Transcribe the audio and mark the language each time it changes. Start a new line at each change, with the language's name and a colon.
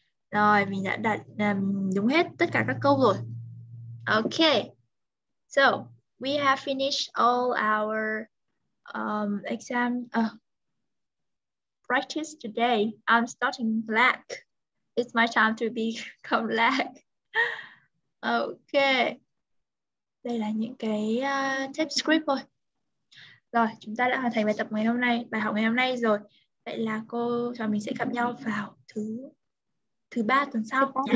Vietnamese: Rồi, mình đã đặt đúng hết tất cả các câu rồi.
English: Okay, so we have finished all our exam practice today. I'm starting lag. It's my time to become lag.
Vietnamese: Okay, đây là những cái tip script rồi. Rồi, chúng ta đã hoàn thành bài tập ngày hôm nay, bài học ngày hôm nay rồi. Vậy là cô và mình sẽ gặp nhau vào thứ ba tuần sau.